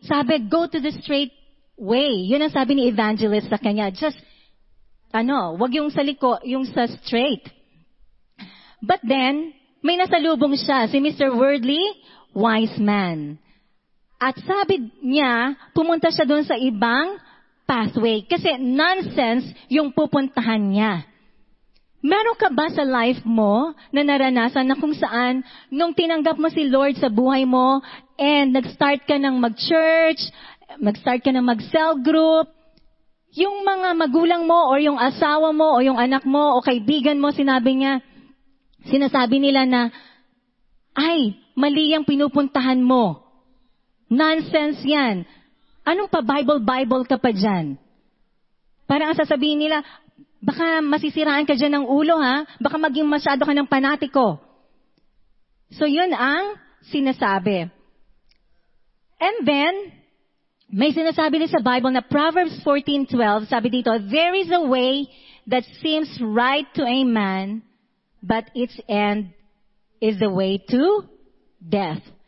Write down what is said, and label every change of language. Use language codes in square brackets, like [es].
[en] Sabi, go to the straight way. [tl] Yun ang sabi ni Evangelist sa kanya. Just, wag yung sa liko, yung sa straight. But then, may nasalubong siya, si Mr. Worldly Wise Man. At sabi niya, pumunta siya dun sa ibang pathway. Kasi nonsense yung pupuntahan niya. Meron ka ba sa life mo na naranasan na kung saan nung tinanggap mo si Lord sa buhay mo and nag-start ka ng mag-church, mag-start ka ng mag-cell group, yung mga magulang mo o yung asawa mo o yung anak mo o kaibigan mo, sinasabi nila na, ay, mali ang pinupuntahan mo. Nonsense yan. Anong pa Bible-Bible ka pa dyan? Parang ang sasabihin nila, baka masisiraan ka dyan ng ulo, ha? Baka maging masyado ka ng panatiko. So, yun ang sinasabi. [en] And then, [tl] may sinasabi din sa Bible na Proverbs 14:12, sabi dito, [en] there is a way that seems right to a man, but its end is the way to death.